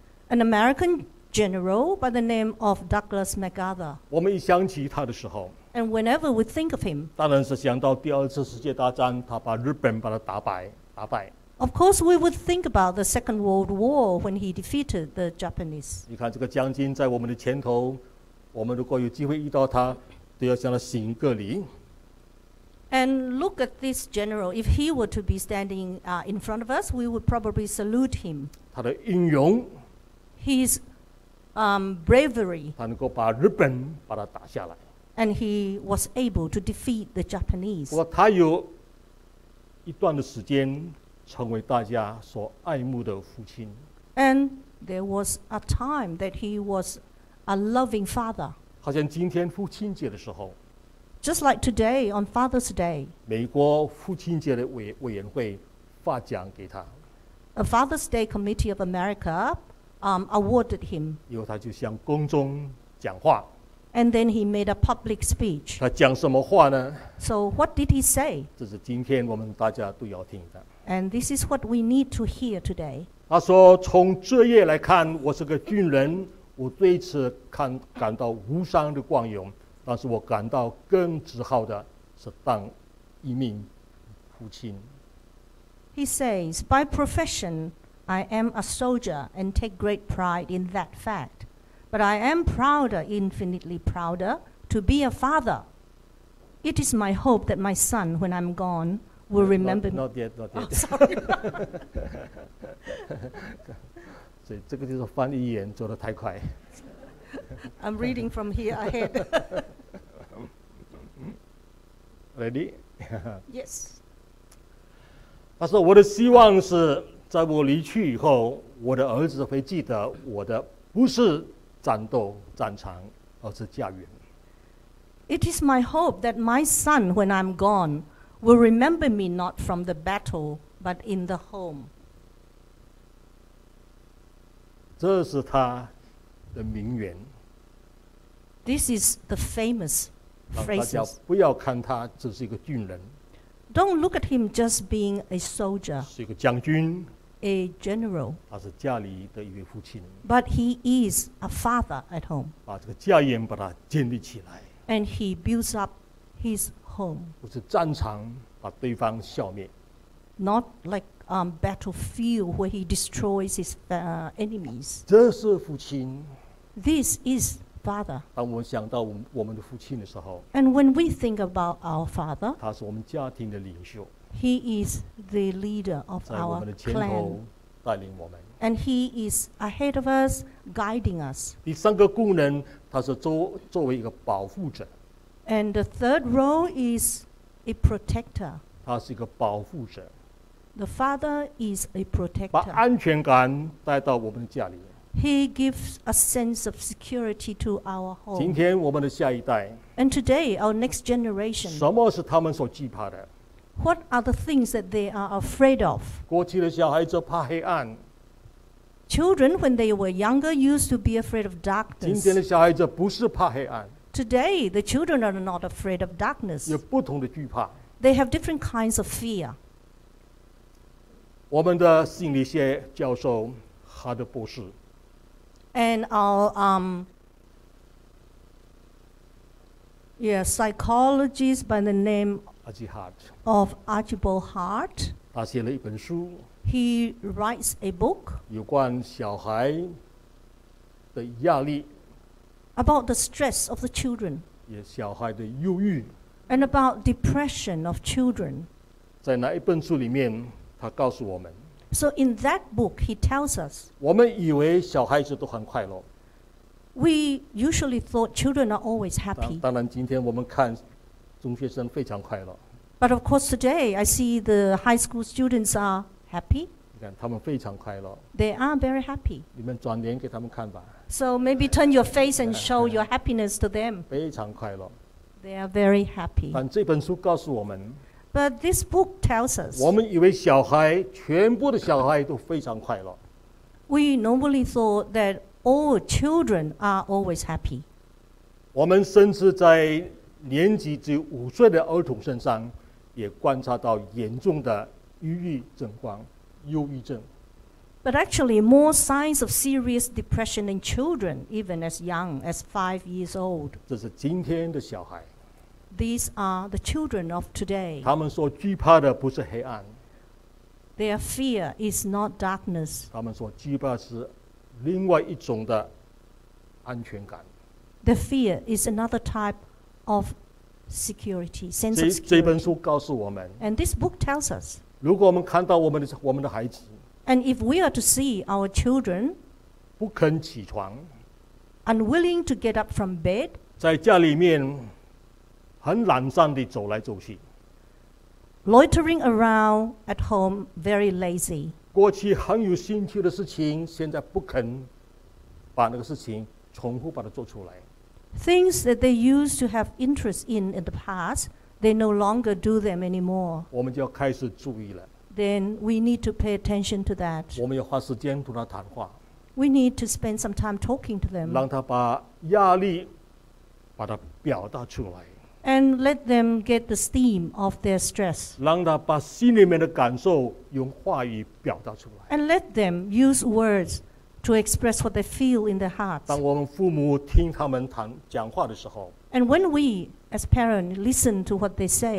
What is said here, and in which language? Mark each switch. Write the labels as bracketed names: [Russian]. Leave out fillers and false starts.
[English] An American general by the name of Douglas MacArthur. [Chinese] 我们一想起他的时候。 [English] And whenever we think of him. [Chinese] 当然是想到第二次世界大战，他把日本把他打败。 [English] Of course, we would think about the Second World War when he defeated the Japanese. [Chinese] 你看这个将军在我们的前头，我们如果有机会遇到他，都要向他行个礼。 [English] And look at this general. If he were to be standing in front of us, we would probably salute him. [Chinese] 他的英勇。 [English] His bravery. [Chinese] 他能够把日本把他打下来。 [English] And he was able to defeat the Japanese. [Chinese] 不过他有。一段的时间成为大家所爱慕的父亲。 [English] And there was a time that he was a loving father. [Chinese] 好像今天父亲节的时候。 [English] Just like today on Father's Day. [Chinese] 美国父亲节的委员会发奖给他。 [English] A Father's Day Committee of America, awarded him. [Chinese] 以后他就向公众讲话。 [English] And then he made a public speech. [Chinese] 他讲什么话呢? [English] So what did he say? [Chinese] 这是今天我们大家都要听的。 [English] And this is what we need to hear today. [Chinese] 他说，从这页来看，我是个军人，我对此感到无上的光荣，但是我感到更自豪的是当一名父亲。 [English] He says, by profession, I am a soldier and take great pride in that fact. But I am prouder, infinitely prouder, to be a father. It is my hope that my son, when I'm gone, will remember me. Not yet. Oh, sorry. [Chinese] 所以这个就是翻译员做得太快。 [English] I'm reading from here ahead. Ready? Yes. [Chinese] 他说我的希望是在我离去以后我的儿子会记得我的不是战斗战场而是家园。 [English] It is my hope that my son when I'm gone will remember me not from the battle but in the home. [Chinese] 这是他的名言。 [English] This is the famous phrases. [Chinese] 大家不要看他只是一个军人。 [English] Don't look at him just being a soldier. [Chinese] 是一个将军, [English] a general. [Chinese] 他是家里的一位父亲, [English] but he is a father at home. [Chinese] 把这个家园把它建立起来, [English] and he builds up his home. [Chinese] 不是战场把对方消灭, [English] not like battlefield where he destroys his enemies. [Chinese] 这是父亲, [English] this is Father. [Chinese] 当我们想到我们的父亲的时候 [English] ，And when we think about our father, [Chinese] 他是我们家庭的领袖。 [English] He is the leader of our clan. [Chinese] 在我们的前头带领我们。 [English] And he is ahead of us, guiding us. [Chinese] 第三个功能，他是作为一个保护者。 [English] And the third role is a protector. [Chinese] 他是一个保护者。 [English] The father is a protector. [Chinese] 把安全感带到我们的家里。 [English] He gives a sense of security to our home. [Chinese] 今天我们的下一代。 [English] And today, our next generation. [Chinese] 什么是他们所惧怕的？ [English] What are the things that they are afraid of? [Chinese] 过去的小孩子怕黑暗。 [English] Children, when they were younger, used to be afraid of darkness. [Chinese] 今天的小孩子不是怕黑暗。 [English] Today, the children are not afraid of darkness. [Chinese] 有不同的惧怕。 [English] They have different kinds of fear. [Chinese] 我们的心理学教授，哈德博士。 [English] And our psychologist by the name of Archibald Hart. [Chinese] 他写了一本书。 [English] He writes a book. [Chinese] 有关小孩的压力。 [English] About the stress of the children. [Chinese] 也小孩的忧郁。 [English] And about depression of children. [Chinese] 在那一本书里面，他告诉我们。 [English] So in that book, he tells us, [Chinese] 我们以为小孩子都很快乐。 [English] We usually thought children are always happy. [Chinese] 当然今天我们看中学生非常快乐。 [English] But of course today, I see the high school students are happy. [Chinese] 你看他们非常快乐。 [English] They are very happy. [Chinese] 你们转脸给他们看吧。 [English] So maybe turn your face and show your happiness to them. [Chinese] 非常快乐。 [English] They are very happy. [Chinese] 但这本书告诉我们， [English] But this book tells us, [Chinese] 我们以为小孩，全部的小孩都非常快乐。 [English] We normally thought that all children are always happy. [Chinese] 我们甚至在年纪只有五岁的儿童身上，也观察到严重的忧郁症。 [English] But actually, more signs of serious depression in children, even as young as 5 years old. [Chinese] 这是今天的小孩。 [English] These are the children of today. [Chinese] 他们所惧怕的不是黑暗。 [English] Their fear is not darkness. [Chinese] 他们所惧怕是另外一种的安全感。 [English] The fear is another type of security, sense of security. [Chinese] 这本书告诉我们。 [English] And this book tells us. [Chinese] 如果我们看到我们的孩子。 [English] And if we are to see our children. [Chinese] 不肯起床。 [English] Unwilling to get up from bed. [Chinese] 在家里面。很懒散地走来走去 [English] ，loitering around at home, very lazy. [Chinese] 过去很有兴趣的事情，现在不肯把那个事情重复把它做出来。 [English] Things that they used to have interest in the past, they no longer do them anymore. [Chinese] 我们就要开始注意了。 [English] Then we need to pay attention to that. [Chinese] 我们要花时间跟他谈话。 [English] We need to spend some time talking to them. [Chinese] 让他把压力把它表达出来。 [English] And let them get the steam of their stress. [Chinese] 让他把心里面的感受用话语表达出来。 [English] And let them use words to express what they feel in their hearts. [Chinese] 当我们父母听他们谈讲话的时候， [English] and when we as parents listen to what they say,